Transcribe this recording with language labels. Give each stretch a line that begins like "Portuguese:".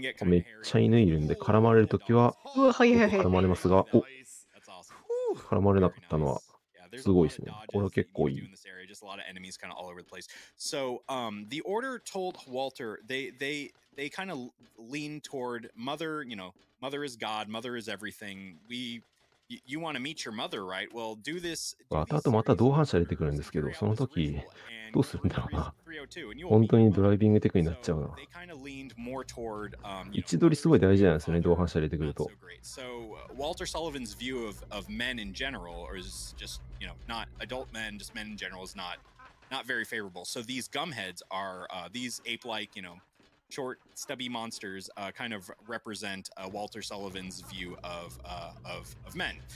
Japanese: めっちゃ犬いるんで絡まれるときは、うわ、早い早い。絡まれるときは絡まれますが、お、絡まれなかったのは。すごいですね。これは結構いい。
English: This area, just a lot of enemies kind of all over the place. So, the order told Walter they kind of lean toward mother. You know, mother is God. Mother is everything. You want to meet your mother, right? Well, do this.
Japanese: またあとまた同伴者出てくるんですけど、その時どうするんだろうな。本当にドライビングテクになっちゃうな。位置取りすごい大事なんですよね、同伴者出てくると。
English: Walter Sullivan's view of men in general, or is just, you know, not adult men, just men in general, is not very favorable. So these gumheads are these ape-like, you know, short, stubby monsters kind of represent Walter Sullivan's view of men.